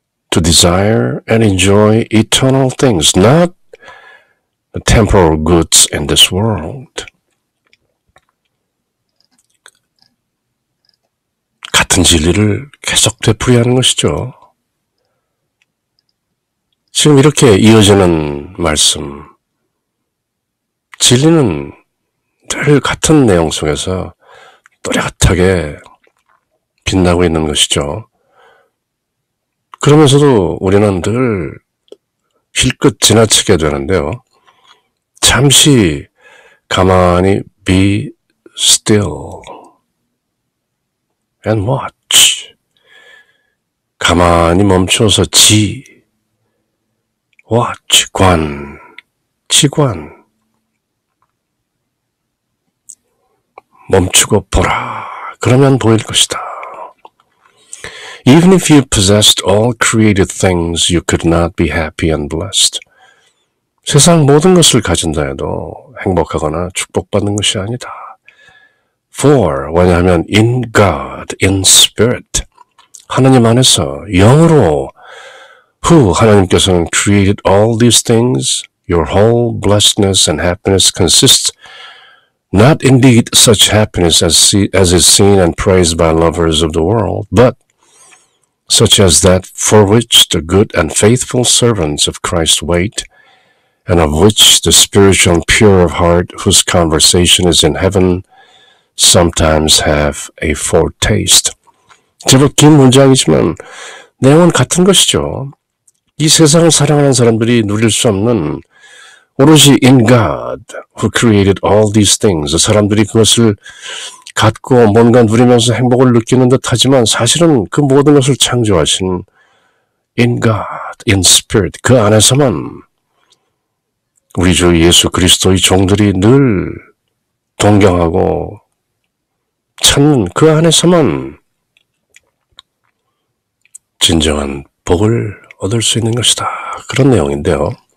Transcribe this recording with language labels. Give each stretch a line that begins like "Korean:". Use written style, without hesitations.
English: to desire and enjoy eternal things, not temporal goods in this world.
Korean: 같은 진리를 계속 되풀이하는 것이죠. 지금 이렇게 이어지는 말씀, 진리는 늘 같은 내용 속에서 또렷하게 빛나고 있는 것이죠. 그러면서도 우리는 늘 힐끗 지나치게 되는데요. 잠시 가만히
English: be still and watch.
Korean: 가만히 멈춰서 지,
English: watch,
Korean: 관, 지관. 멈추고 보라. 그러면 보일 것이다.
English: Even if you possessed all created things, you could not be happy and blessed.
Korean: 세상 모든 것을 가진다 해도 행복하거나 축복받는 것이 아니다.
English: For,
Korean: 왜냐하면
English: in God, in spirit,
Korean: 하나님 안에서 영으로
English: who,
Korean: 하나님께서는
English: created all these things, your whole blessedness and happiness consists not indeed such happiness as is seen and praised by lovers of the world, but such as that for which the good and faithful servants of Christ wait, and of which the spiritual and pure of heart whose conversation is in heaven sometimes have a foretaste.
Korean: 제법 긴 문장이지만 내용은 같은 것이죠. 이 세상을 사랑하는 사람들이 누릴 수 없는 오로지
English: in God who created all these things.
Korean: 사람들이 그것을 갖고 뭔가 누리면서 행복을 느끼는 듯 하지만 사실은 그 모든 것을 창조하신
English: in God, in spirit,
Korean: 그 안에서만 우리 주 예수 그리스도의 종들이 늘 동경하고 찾는 그 안에서만 진정한 복을 얻을 수 있는 것이다. 그런 내용인데요.